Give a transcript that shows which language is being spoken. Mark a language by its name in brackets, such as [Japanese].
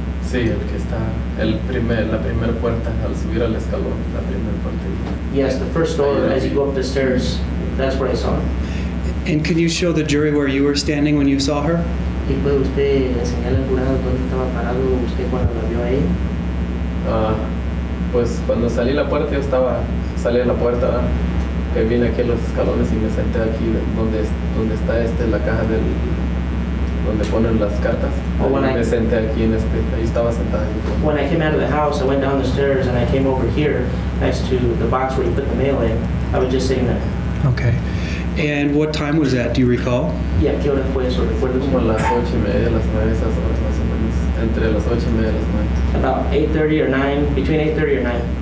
[Spanish] Sí, el que está la primera puerta al subir al escalón, la primera puerta. [English] Yes, the first door as you go up the stairs. That's where I saw her. And can you show the jury where you were standing when you saw her? [Spanish] ¿Y puede usted enseñarle al jurado dónde estaba parado usted cuando la vio a ella? Pues cuando salí la puerta, salí a la puerta, que vine aquí a los escalones y me senté aquí donde está la caja del donde ponen las cartas. Me senté aquí en ahí estaba sentada. [English] When I came out of the house, I went down the stairs and I came over here next to the box where you put the mail in. I was just sitting there. Okay. And what time was that, do you recall? About 8:30 or 9, between 8:30 or 9.